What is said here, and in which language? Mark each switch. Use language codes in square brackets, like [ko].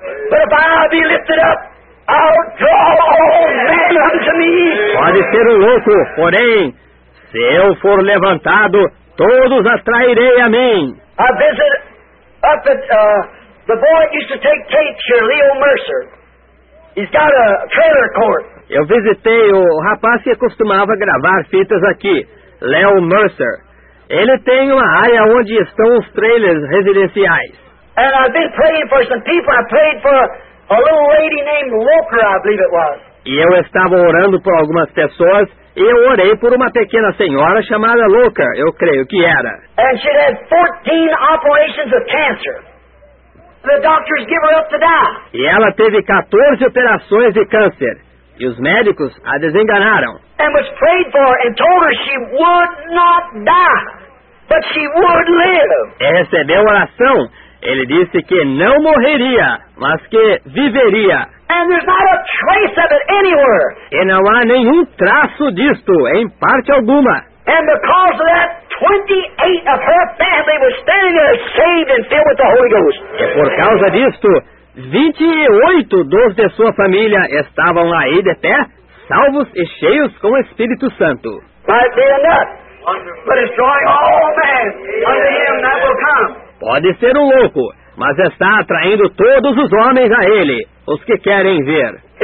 [en] But if I be lifted up, I'll draw all men unto me. [pt] Pode ser um louco, porém, se eu for levantado, todos atrairei a mim. [en] I visit up at the boy used to take tapes here, Leo Mercer. He's got a trailer court. [pt] Eu visitei o rapaz que costumava gravar fitas aqui, Leo Mercer. Ele tem uma área onde estão os trailers residenciais. [en] And I've been praying for some people. I prayed for a little lady named Walker, I believe it was. [pt] E eu estava orando por algumas pessoas, e eu orei por uma pequena senhora chamada Walker, eu creio que era. [en] And she had 14 operations of cancer. The doctors give her up to die. [pt] E ela teve 14 operações de câncer. E os médicos a desenganaram. [en] And was prayed for and told her she would not die, but she would live. [pt] E recebeu a oração. Ele disse que não morreria, mas que viveria. [en] And there's not a trace of it anywhere. [pt] E não há nenhum traço disto em parte alguma. [en] And because of that, 28 of her family was standing there saved and filled with the Holy Ghost. [pt] E por causa disto, 28 dos de sua família estavam aí de pé, salvos e cheios com o Espírito Santo. [en] Might be enough, but it's drawing all men unto him that will come. [pt] Pode ser um louco, mas está atraindo todos os homens a ele, os que querem ver.